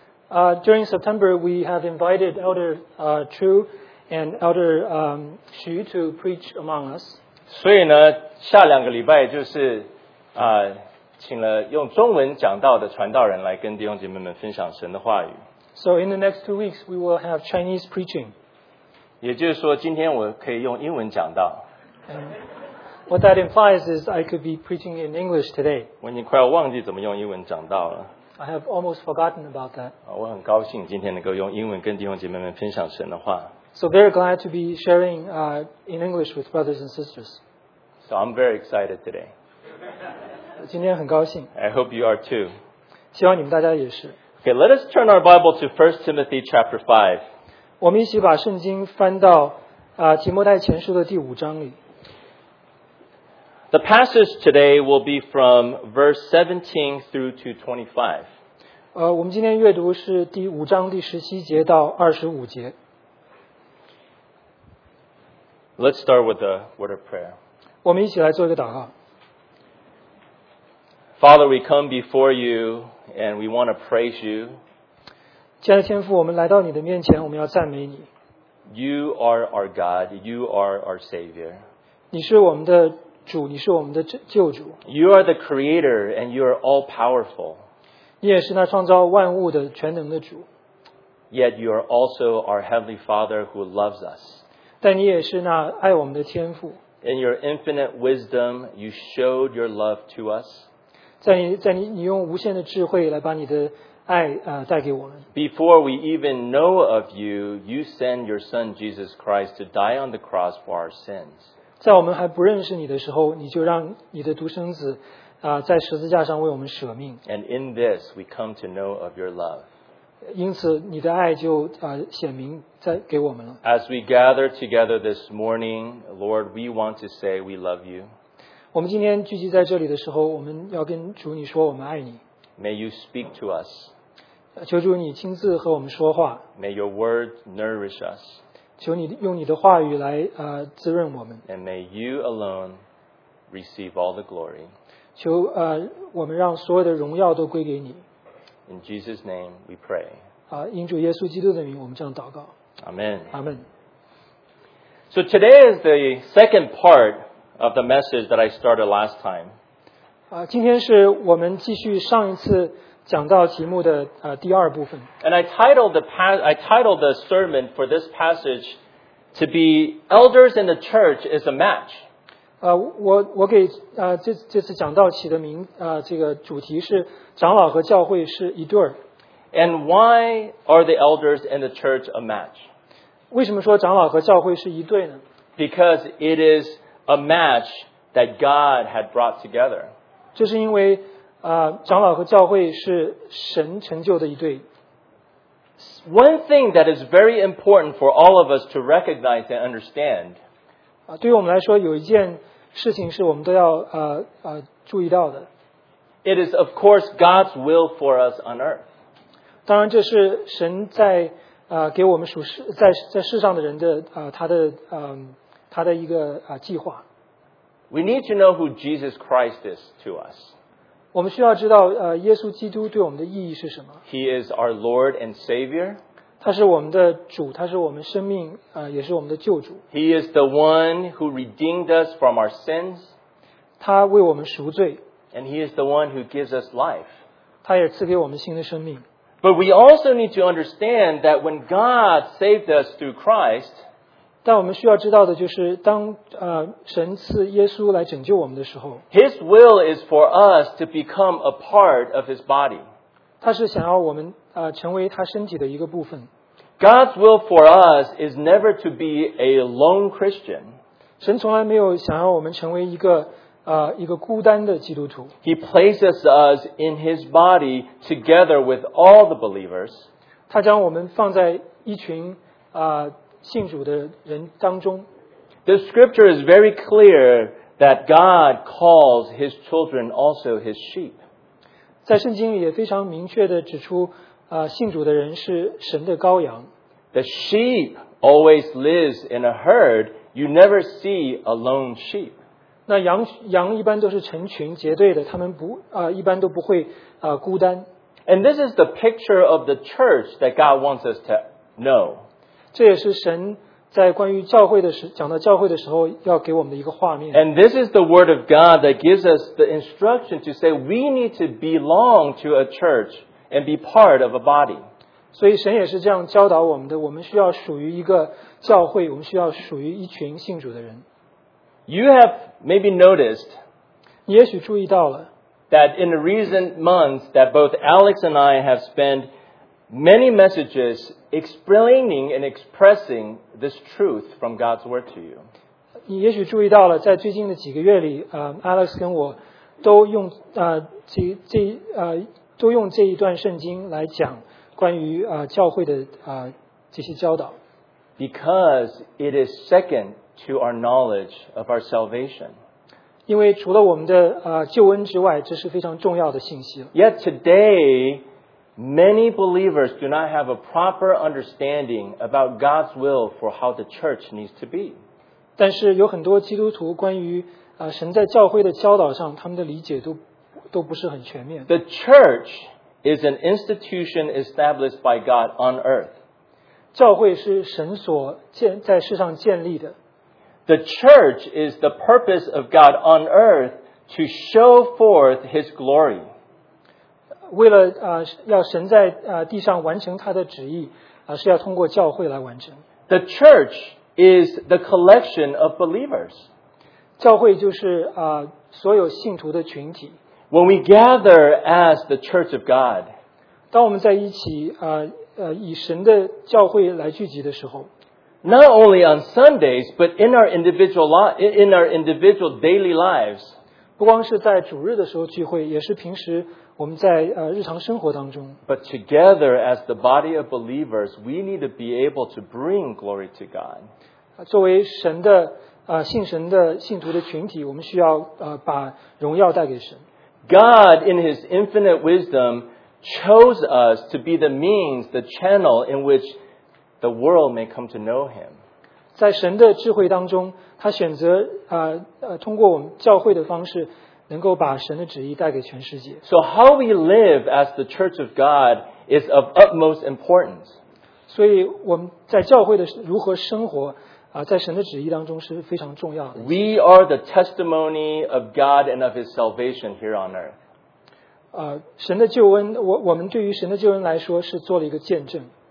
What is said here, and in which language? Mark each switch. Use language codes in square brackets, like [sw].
[en] During September, we have invited Elder Chu and Elder Xu to preach among us. [zh] 所以呢，下两个礼拜就是请了用中文讲道的传道人来跟弟兄姐妹们分享神的话语。 [en] So in the next 2 weeks, we will have Chinese preaching. [zh] 也就是说，今天我可以用英文讲道。 [en] What that implies is I could be preaching in English today. [zh] 我已经快要忘记怎么用英文讲道了。 [en] I have almost forgotten about that. [zh] 我很高兴今天能够用英文跟弟兄姐妹们分享神的话。 [en] So very glad to be sharing in English with brothers and sisters. So I'm very excited today. [zh] 今天很高兴。 [en] I hope you are too. [zh] 希望你们大家也是。 [en] Okay, let us turn our Bible to 1 Timothy chapter 5. [zh] 我们一起把圣经翻到提摩太前书的第五章里。 [en] The passage today will be from verse 17 through to 25. [zh] 我们今天阅读是第五章第十七节到二十五节。 [en] Let's start with a word of prayer. [zh] 我们一起来做一个祷告。 [en] Father, we come before you and we want to praise you. [zh] 亲爱的天父，我们来到你的面前，我们要赞美你。 [en] You are our God, you are our Savior. [zh] 你是我们的主，你是我们的救主。 [en] You are the Creator and you are all powerful. [zh] 你也是那创造万物的全能的主。 [en] Yet you are also our Heavenly Father who loves us. [zh] 但你也是那爱我们的天父。 [en] In your infinite wisdom, you showed your love to us. [zh] 在你用无限的智慧来把你的爱带给我们。 [en] Before we even know of you, you send your Son Jesus Christ to die on the cross for our sins. [zh] 在我们还不认识你的时候，你就让你的独生子在十字架上为我们舍命。 [en] And in this, we come to know of your love. [zh] 因此，你的爱就显明在给我们了。 [en] As we gather together this morning, Lord, we want to say we love you. [zh] 我们今天聚集在这里的时候，我们要跟主你说我们爱你。 [en] May you speak to us. [zh] 求主你亲自和我们说话。 [en] May your word nourish us. [zh] 求你用你的话语来滋润我们。 [en] And may you alone receive all the glory. [zh] 求我们让所有的荣耀都归给你。 [en] In Jesus' name we pray. [zh] 因主耶稣基督的名我们这样祷告。 [en] Amen. Amen. So today is the second part. Of the message that I started last time. [zh] 今天是我们继续上一次讲到题目的第二部分。 [en] And I titled the sermon for this passage to be "Elders in the Church is a Match." [zh] 我给这次讲道起的名这个主题是长老和教会是一对儿。 [en] And why are the elders in the church a match? [zh] 为什么说长老和教会是一对呢 [en] ？Because it is. A match that God had brought together. [zh] 这是因为长老和教会是神成就的一对。 [en] One thing that is very important for all of us to recognize and understand. [zh] 对于我们来说，有一件事情是我们都要注意到的。 [en] It is, of course, God's will for us on earth. [zh] 当然，这是神在给我们属世在世上的人的他的他的一个计划。 [en] We need to know who Jesus Christ is to us. [zh] 我们需要知道耶稣基督对我们的意义是什么。 [en] He is our Lord and Savior. [zh] 他是我们的主，他是我们生命也是我们的救主。 [en] He is the one who redeemed us from our sins. [zh] 他为我们赎罪。 [en] And he is the one who gives us life. [zh] 他也赐给我们新的生命。 [en] But we also need to understand that when God saved us through Christ, [zh] 但我们需要知道的就是当神赐耶稣来拯救我们的时候 [en] His will is for us to become a part of his body. [zh] 他是想要我们成为他身体的一个部分。 [en] God's will for us is never to be a lone Christian. [zh] 神从来没有想要我们成为一个孤单的基督徒。 [en] He places us in his body together with all the believers. [zh] 他将我们放在一群信主的人当中。 [en] The scripture is very clear that God calls his children also his sheep. [zh] 在圣经里也非常明确地指出信主的人是神的羔羊。 [en] The sheep always lives in a herd. You never see a lone sheep. [zh] 那 羊一般都是成群结队的，他们不啊、一般都不会啊、孤单。 [en] And this is the picture of the church that God wants us to know. [zh] 这也是神在关于教会的时讲到教会的时候要给我们的一个画面。 [en] And this is the word of God that gives us the instruction to say we need to belong to a church and be part of a body. [zh] 所以神也是这样教导我们的，我们需要属于一个教会，我们需要属于一群信主的人。 [en] You have maybe noticed, [zh] 也许注意到了, [en] that in the recent months that both Alex and I have spent many messages explaining and expressing this truth from God's word to you. [zh] 你也许注意到了，在最近的几个月里，Alex 跟我都用都用这一段圣经来讲关于教会的这些教导。 [en] Because it is second to our knowledge of our salvation. [zh] 因为除了我们的救恩之外，这是非常重要的信息。 [en] Yet today, many believers do not have a proper understanding about God's will for how the church needs to be. [zh] 但是有很多基督徒关于神在教会的教导上，他们的理解都不是很全面。 [en] The church is an institution established by God on earth. [zh] 教会是神所建在世上建立的。 [en] The church is the purpose of God on earth to show forth His glory. [zh] 为了要神在地上完成他的旨意，是要通过教会来完成。 [en] The church is the collection of believers. [zh] 教会就是所有信徒的群体。 [en] When we gather as the church of God, [zh] 当我们在一起以神的教会来聚集的时候。 [en] Not only on Sundays, but in our individual daily lives. [zh] 不光是在主日的时候聚会，也是平时我们在日常生活当中。 [en] But together as the body of believers, we need to be able to bring glory to God. [zh] 作为神的信神的信徒的群体，我们需要把荣耀带给神。 [en] God, in His infinite wisdom, chose us to be the means, the channel in which the world may come to know him. [zh] 在神的智慧当中，他选择通过我们教会的方式，能够把神的旨意带给全世界。 [en] So how we live as the church of God is of utmost importance. [zh] 所以我们在教会的如何生活在神的旨意当中是非常重要的。 [en] We are the testimony of God and of his salvation here on earth. [zh] 神的救恩，我们对于神的救恩来说是做了一个见证。